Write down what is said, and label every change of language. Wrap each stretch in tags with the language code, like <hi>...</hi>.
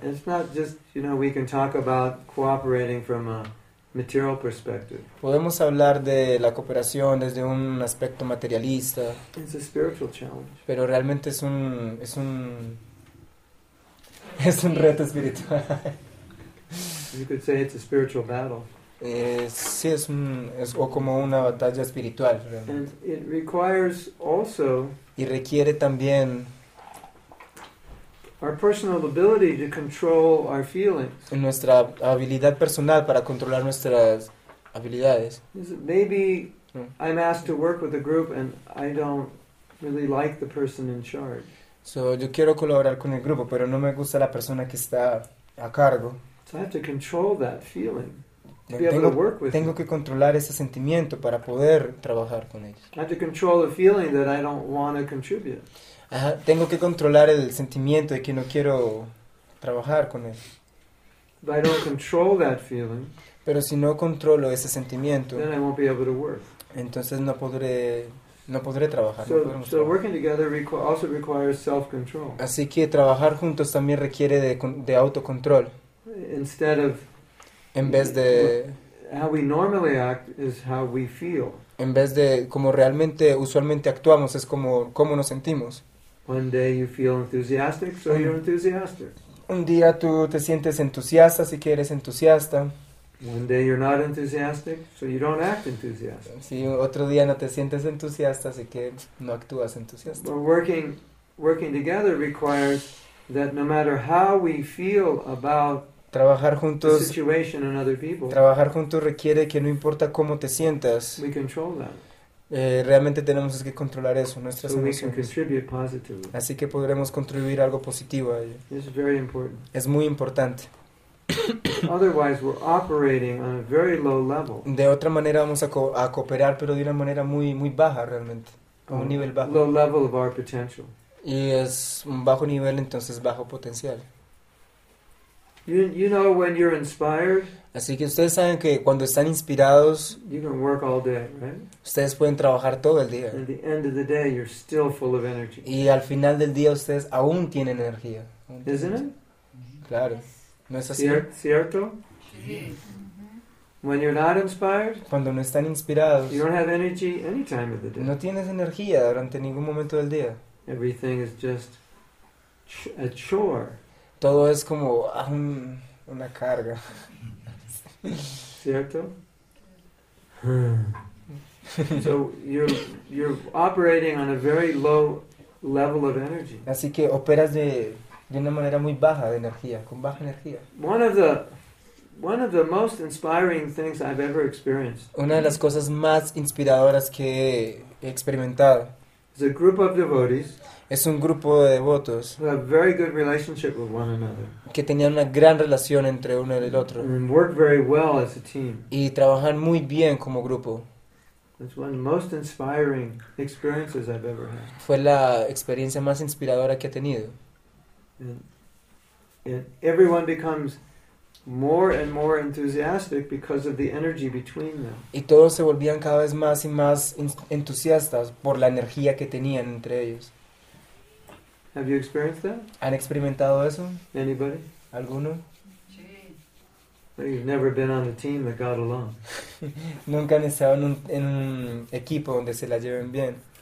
<en>It's not just, you know, we can talk about cooperating from a material perspective.</en> <es>Podemos hablar de la cooperación desde un aspecto materialista.</es> <en>It's a spiritual challenge.</en> <es>Pero realmente es un reto espiritual.</es> <en>You could say it's a spiritual battle.</en> <es>Sí, es como una batalla espiritual. Realmente.</es> <en>And it requires also.</en> <es>Y requiere también.</es> <en>Our personal ability to control our feelings.</en> <es>En nuestra habilidad personal para controlar nuestras habilidades.</es> <en>Maybe I'm asked to work with a group and I don't really like the person in charge.</en> <es>So yo quiero colaborar con el grupo, pero no me gusta la persona que está a cargo.</es> <en>So I have to control that feeling to be able to work with.</en> <es>Tengo que controlar ese sentimiento para poder trabajar con ellos.</es> <en>I have to control the feeling that I don't want to contribute.</en> <es>Ajá, tengo que controlar el sentimiento de que no quiero trabajar con él.</es> <en>I don't control that feeling,</en> <es>pero si no controlo ese sentimiento,</es> <en>then I won't be able to work.</en> <es>Entonces no podré trabajar.</es> <en>So working together also requires self-control.</en> <es>Así que trabajar juntos también requiere de autocontrol.</es> <en>Instead of,</en> <es>en vez de</es> <en>how we normally act is how we feel.</en> <es>En vez de como realmente usualmente actuamos es como cómo nos sentimos.</es> <en>One day you feel enthusiastic, so you're enthusiastic.</en> <es>Un día tú te sientes entusiasta, así que eres entusiasta.</es> <en>One day you're not enthusiastic, so you don't act enthusiastic.</en> <es>Sí, otro día no te sientes entusiasta, así que no actúas entusiasta.</es> <en>But working together requires that no matter how we feel about</en> <es>trabajar juntos,</es> <en>the situation and other people,</en> <es>trabajar juntos requiere que no importa cómo te sientas,</es> <en>we control that.</en> <es>Realmente tenemos que controlar eso, nuestras</es> <en>so</en> <es>emociones.</es> <en>We can contribute positively.</en> <es>Así que podremos contribuir algo positivo a ello.</es> <en>This is very important.</en> <es>Es muy importante.</es> <en>Otherwise, we're operating on a very low level.</en> <es>De otra manera vamos a cooperar, pero de una manera muy, muy baja realmente, a un nivel bajo.</es> <en>Low level of our potential.</en> <es>Y es un bajo nivel, entonces bajo potencial.</es> <en>You know when you're inspired.</en> <es>Así que ustedes saben que cuando están inspirados,</es> <en>you can work all day, right?</en> <es>Ustedes pueden trabajar todo el día.</es> <en>At the end of the day, you're still full of energy.</en> <es>Y al final del día ustedes aún tienen energía. Claro. ¿No es así? ¿Cierto? Sí.</es> <en>When you're not inspired,</en> <es>cuando no están inspirados,</es> <en>you don't have energy any time of the day.</en> <es>No tienes energía durante ningún momento del día.</es> <en>Everything is just a chore.</en> <es>Todo es como una carga. ¿Cierto?</es> <en>So you're operating on a very low level of energy.</en> <es>Así que operas de una manera muy baja de energía, con baja energía.</es> <en>One of the most inspiring things I've ever experienced.</en> <es>Una de las cosas más inspiradoras que he experimentado.</es> <en>Is a group of devotees.</en> <es>Es un grupo de devotos.</es> <en>A very good relationship with one another.</en> <es>Que tenían una gran relación entre uno y el otro.</es> <en>And work very well as a team.</en> <es>Y trabajan muy bien como grupo.</es> <en>It's one of the most inspiring experiences I've ever had.</en> <es>Fue la experiencia más inspiradora que he tenido.</es> <en>And everyone becomes more and more enthusiastic because of the energy between them.</en> <es>Y todos se volvían cada vez más y más entusiastas por la energía que tenían entre ellos.</es> <en>Have you experienced that?</en> <es>¿Han experimentado eso?</es> <en>Anybody?</en> <es>¿Alguno?</es> <en>Sí.</en> <es>You've never been on a team that got along.</es> <en>Nunca han estado en un equipo donde se la lleven bien.</en>